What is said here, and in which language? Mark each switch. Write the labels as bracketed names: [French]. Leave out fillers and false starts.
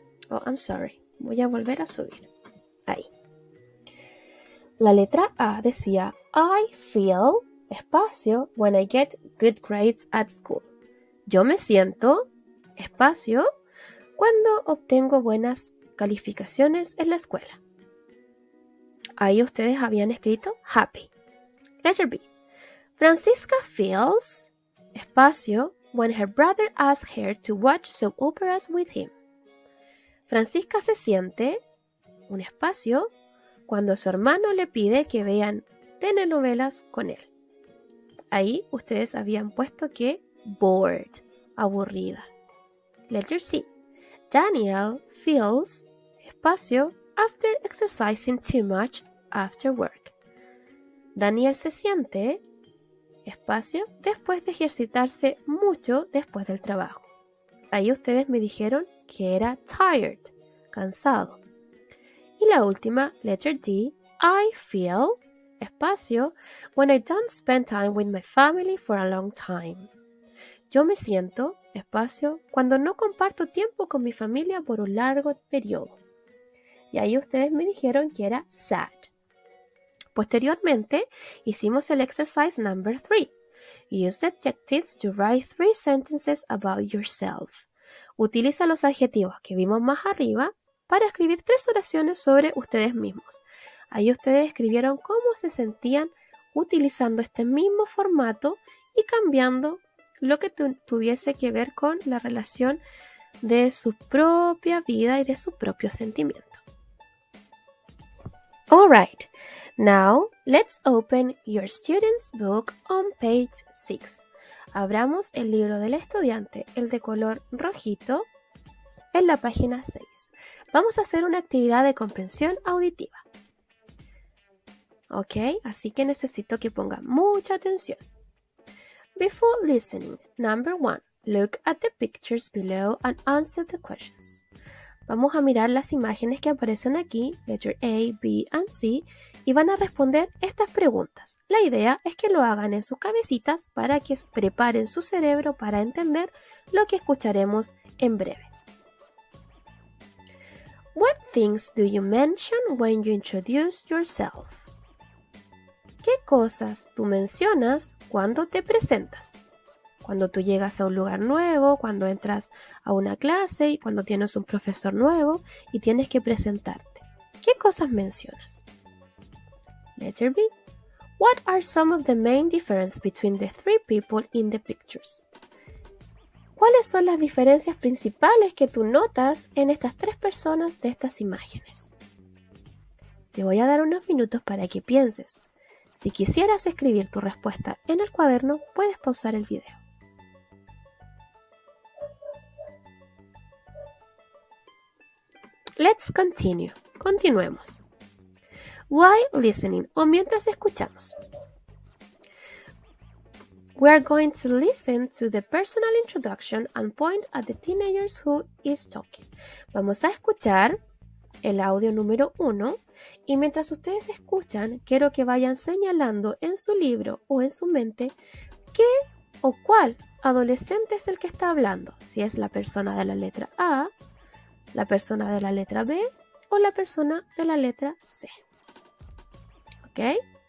[English] Oh, I'm sorry. [Spanish] Voy a volver a subir. Ahí. La letra A decía, [English] I feel, [Spanish] espacio, [English] when I get good grades at school. [Spanish] Yo me siento, espacio, cuando obtengo buenas calificaciones en la escuela. Ahí ustedes habían escrito happy. [English] Letter B. Francisca feels, [Spanish] espacio, [English] when her brother asks her to watch soap operas with him. [Spanish] Francisca se siente, un espacio, cuando su hermano le pide que vean telenovelas con él. Ahí ustedes habían puesto que bored, aburrida. [English] Letter C. [Spanish] Daniel feels, espacio, after exercising too much after work. Daniel se siente, espacio, después de ejercitarse mucho después del trabajo. Ahí ustedes me dijeron que era tired, cansado. Y la última, [English] letter D, I feel, [Spanish] espacio, [English] when I don't spend time with my family for a long time. [Spanish] Yo me siento, espacio, cuando no comparto tiempo con mi familia por un largo periodo. Y ahí ustedes me dijeron que era sad. Posteriormente, hicimos el [English] exercise number 3. Use the adjectives to write 3 sentences about yourself. [Spanish] Utiliza los adjetivos que vimos más arriba para escribir 3 oraciones sobre ustedes mismos. Ahí ustedes escribieron cómo se sentían utilizando este mismo formato y cambiando lo que tuviese que ver con la relación de su propia vida y de su propio sentimiento. [English] All right. Now, let's open your student's book on page 6. [Spanish] Abramos el libro del estudiante, el de color rojito, en la página 6. Vamos a hacer una actividad de comprensión auditiva. Ok, así que necesito que ponga mucha atención. [English] Before listening, number 1, look at the pictures below and answer the questions. [Spanish] Vamos a mirar las imágenes que aparecen aquí, [English] letter A, B and C, [Spanish] y van a responder estas preguntas. La idea es que lo hagan en sus cabecitas para que preparen su cerebro para entender lo que escucharemos en breve. [English] What things do you mention when you introduce yourself? [Spanish] ¿Qué cosas tú mencionas cuando te presentas? Cuando tú llegas a un lugar nuevo, cuando entras a una clase y cuando tienes un profesor nuevo y tienes que presentarte. ¿Qué cosas mencionas? [English] Letter B. What are some of the main differences between the 3 people in the pictures? [Spanish] ¿Cuáles son las diferencias principales que tú notas en estas 3 personas de estas imágenes? Te voy a dar unos minutos para que pienses. Si quisieras escribir tu respuesta en el cuaderno, puedes pausar el video. [English] Let's continue. [Spanish] Continuemos. [English] While listening, [Spanish] o mientras escuchamos. [English] We are going to listen to the personal introduction and point at the teenagers who is talking. [Spanish] Vamos a escuchar el audio número 1 y mientras ustedes escuchan, quiero que vayan señalando en su libro o en su mente qué o cuál adolescente es el que está hablando. Si es la persona de la letra A, la persona de la letra B o la persona de la letra C. ¿Ok?